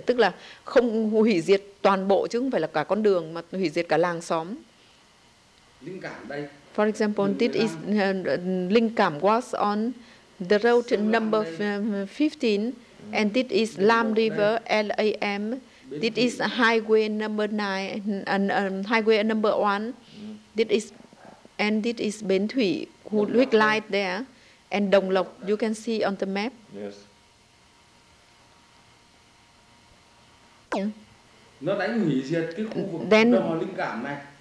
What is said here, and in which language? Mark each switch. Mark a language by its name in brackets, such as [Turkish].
[Vietnamese] Tức là không hủy diệt toàn bộ chứ không phải là cả con đường mà hủy diệt cả làng xóm. Linh Cảm đây. [English] For example, this is Linh Cảm was on the road number 15, and this is Lam River, L-A-M. This is highway number 9, highway number 1. This is Bến Thủy, which lies there, and Đồng Lộc, you can see on the map. Yes. [Vietnamese] Nó đánh hủy diệt cái khu vực đò linh cảm này.